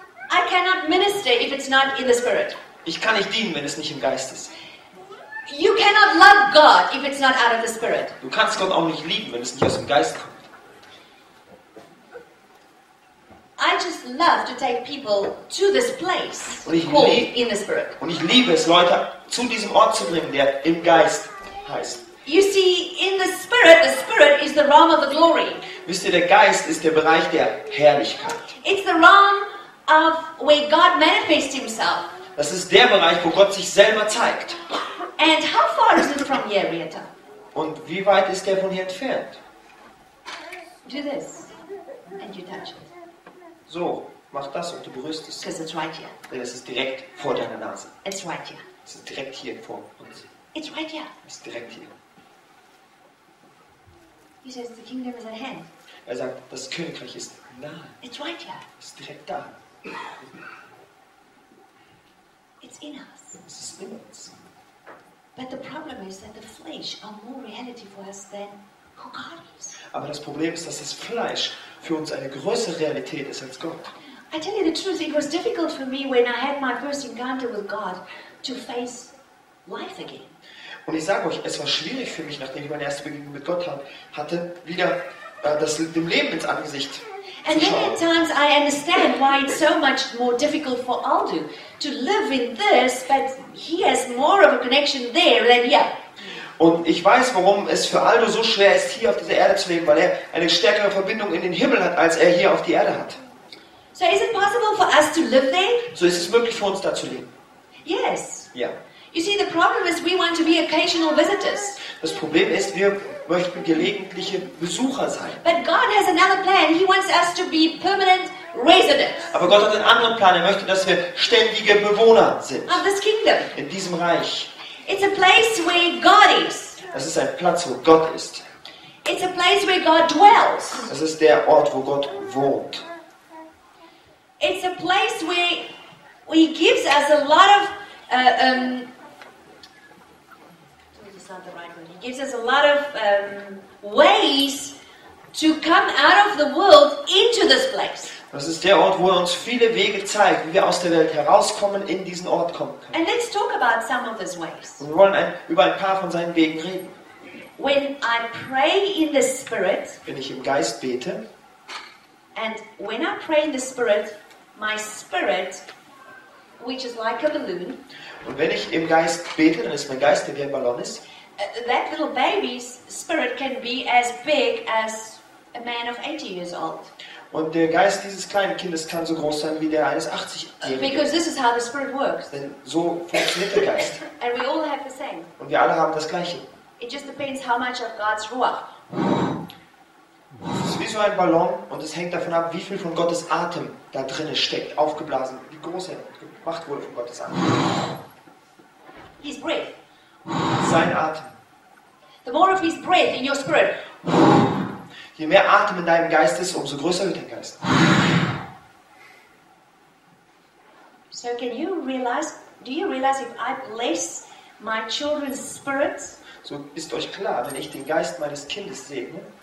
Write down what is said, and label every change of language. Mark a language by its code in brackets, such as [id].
[en] I cannot minister if it's not in the spirit. [de] Ich kann nicht dienen, wenn es nicht im Geist ist. [en] You cannot love God if it's not out of the spirit. [de] Du kannst Gott auch nicht lieben, wenn es nicht aus dem Geist kommt. [en] I just love to take people to this place called in the spirit. [de] Und ich liebe es, Leute zu diesem Ort zu bringen, der im Geist heißt. [en] You see, in the spirit is the realm of the glory. [de] Wisst ihr, der Geist ist der Bereich der Herrlichkeit. [en] It's the realm of where God manifests Himself. [de] Das ist der Bereich, wo Gott sich selber zeigt. [en] And how far is it from here, Rieta? [de] Und wie weit ist der von hier entfernt? [en] Do this, and you touch it. [de] So, mach das und du berührst es. [en] Because it's right here. [de] Denn es ist direkt vor deiner Nase. [en] It's right here. [de] Es ist direkt hier vor uns. [en] It's right here. [de] Es ist direkt hier. [en] He says the kingdom is at hand. [de] Er sagt, das Königreich ist nahe. [en] It's right here. [de] Es ist direkt da. [en] It's in us. [de] Es ist in uns. [en] But the problem is that the flesh are more reality for us than who God is. [de] Aber das Problem ist, dass das Fleisch für uns eine größere Realität ist als Gott. [en] I tell you the truth, it was difficult for me when I had my first encounter with God to face life again. [de] Und ich sage euch, es war schwierig für mich, nachdem ich meine erste Begegnung mit Gott hatte, wieder das dem Leben ins Angesicht [en] and [de] zu schauen. [en] And then at times I understand why it's so much more difficult for Aldo to live in this, but he has more of a connection there than here. [de] Und ich weiß, warum es für Aldo so schwer ist, hier auf dieser Erde zu leben, weil er eine stärkere Verbindung in den Himmel hat, als er hier auf die Erde hat. [en] So is it possible for us to live there? [de] So ist es möglich für uns, da zu leben? [en] Yes. [de] Ja. [en] You see, the problem is we want to be occasional visitors. [de] Das Problem ist, wir möchten gelegentliche Besucher sein. [en] But God has another plan. He wants us to be permanent residents. [de] Aber Gott hat einen anderen Plan. Er möchte, dass wir ständige Bewohner sind. [en] Of this kingdom. [de] In diesem Reich. [en] It's a place where God is. [de] Es ist ein Platz, wo Gott ist. [en] It's a place where God dwells. [de] Es ist der Ort, wo Gott wohnt. [en] It's a place where He gives us a lot of ways to come out of the world into this place. [de] Das ist der Ort, wo er uns viele Wege zeigt, wie wir aus der Welt herauskommen, in diesen Ort kommen können. [en] And let's talk about some of those ways. [de] Und wir wollen über ein paar von seinen Wegen reden. [en] When I pray in the Spirit, [de] wenn ich im Geist bete, [en] and when I pray in the Spirit, my spirit, which is like a balloon, [de] und wenn ich im Geist bete, dann ist mein Geist, der wie ein Ballon ist. [en] That little baby's spirit can be as big as a man of 80 years old. [de] Und der Geist dieses kleinen Kindes kann so groß sein wie der eines 80-Jährigen. [en] Because this is how the spirit works. [de] Denn so funktioniert der Geist. [en] And we all have the same. [de] Und wir alle haben das Gleiche. [en] It just depends how much of God's Ruach. [de] Es ist wie so ein Ballon und es hängt davon ab, wie viel von Gottes Atem da drin steckt, aufgeblasen, wie groß er gemacht wurde von Gottes Atem. [en] His breath. [de] Sein Atem. [en] The more of his breath in your spirit. [de] Je mehr Atem in deinem Geist ist, umso größer wird dein Geist. [en] So can you realize, do you realize if I bless my children's spirits? [de] So ist euch klar, wenn ich den Geist meines Kindes segne,